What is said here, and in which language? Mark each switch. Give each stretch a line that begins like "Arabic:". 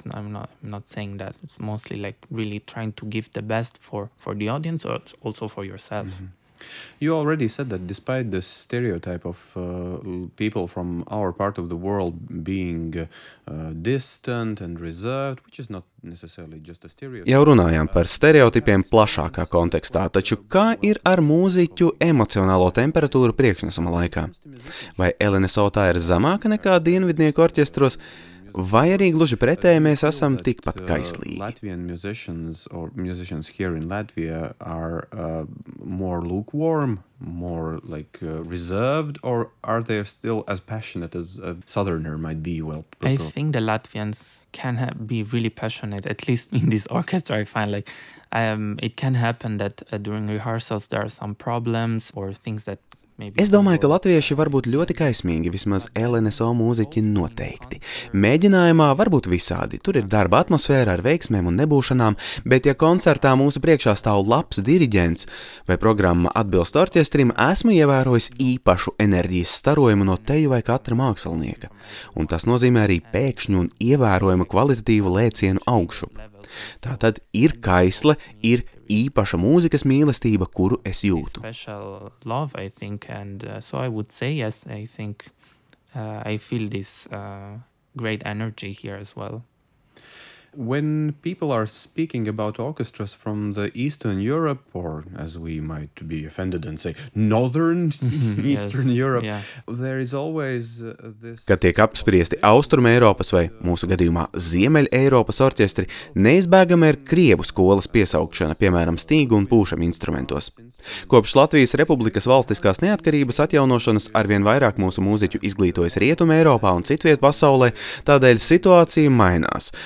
English: I'm not saying that. It's mostly like really trying to give the best for the audience, or also for yourself. Mm-hmm. You already said that despite the stereotype of people from our part of the world being distant and reserved, which is not necessarily just a stereotype.
Latvian: Jau runājām par stereotipiem plašākā kontekstā, taču kā ir ar mūziķu emocionālo temperatūru priekšnesuma laikā? Vai LNSO tā ir zamāka nekā dienvidnieku orķestros? Vai arī gluži pretēji mēs esam tikpat kaislīgi?
English: Latvian musicians or musicians here in Latvia are more lukewarm, more like reserved, or are they still as passionate as a southerner might be? Well, I think the Latvians can be really passionate, at least in this orchestra. I find like it can happen that during rehearsals there are some problems or things that.
Latvian: Es domāju, ka latvieši var būt ļoti kaismīgi, vismaz LNSO mūziķi noteikti. Mēģinājumā var būt visādi, tur ir darba atmosfēra ar veiksmēm un nebūšanām, bet ja koncertā mūsu priekšā stāv labs diriģents vai programma atbilst orķestrim, esmu ievērojis īpašu enerģijas starojumu no teju vai katra mākslinieka. Un tas nozīmē arī pēkšņu un ievērojumu kvalitatīvu lēcienu augšu. Tātad ir kaisle, ir īpaša mūzikas mīlestība, kuru es jūtu.
English: Special love, I think, and so I would say yes, I think I feel this great energy here as well. When people are speaking about orchestras from the Eastern Europe, or as we might be offended and say, Northern Eastern yes, Europe, yeah. There is always this.
Latvian: Kad tiek apspriesti Austruma Eiropas vai, mūsu gadījumā, Ziemeļa Eiropas orķestri, neizbēgami ir krievu skolas piesaukšana, piemēram, stīgu un pūšam instrumentos. Kopš Latvijas Republikas valstiskās neatkarības atjaunošanas arvien vairāk mūsu mūziķu izglītojas Rietuma Eiropā un citviet pasaulē, tādēļ situācija mainās.